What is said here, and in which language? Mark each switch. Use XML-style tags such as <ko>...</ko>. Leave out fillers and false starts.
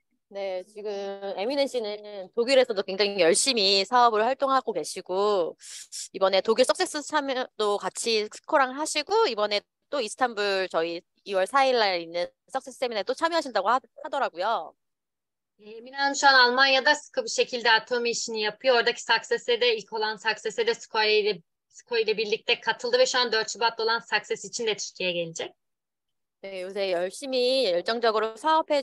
<ko>네, 지금 에미네 씨는 독일에서도 굉장히 열심히 사업을 활동하고 계시고, 이번에 독일 석세스 참여도 같이 스코랑 하시고, 이번에 또 이스탄불 저희 2월 4일날 있는 석세스 세미나에 또 참여하신다고 하더라고요. 에미네 씨는</ko> <tr>şu an Almanya'da sıkı bir şekilde atom işini yapıyor. Oradaki Success'e de ilk olan Success'e de Sko ile birlikte katıldı ve şu an 4 Şubat'ta olan Success için de Türkiye'ye gelecek.</tr> <ko>네, 요새 열심히 열정적으로 사업해 주</ko>